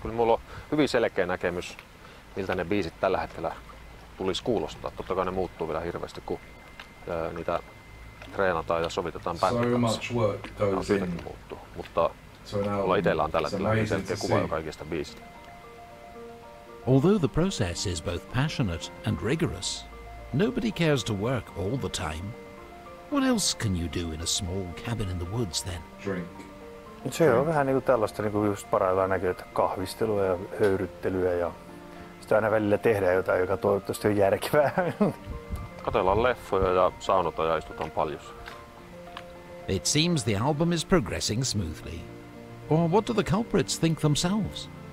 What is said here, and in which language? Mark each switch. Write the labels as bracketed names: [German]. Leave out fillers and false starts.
[Finnish] Kyllä mulla on hyvin selkeä näkemys, miltä ne biisit tällä hetkellä tulisi kuulostaa. Totta kai ne muuttuu vielä hirveästi, kun niitä treenataan ja sovitetaan bändin kanssa. Mutta mulla itsellä on tällä hetkellä selkeä kuva jo kaikista biisistä. [English] Although the process is both passionate and rigorous, nobody cares to work all the time. What else can you do in a small cabin in the woods then? Drink. [Finnish] Se on vähän niinku tällaista niinku just parailla näkyy, että kahvistelua ja höyryttelyä ja sitä aina välillä tehdään jotain, joka toivottavasti on järkevää. Katsellaan leffoja ja saunotaan ja istutaan paljon. [English] It seems the album is progressing smoothly. Or what do the culprits think themselves?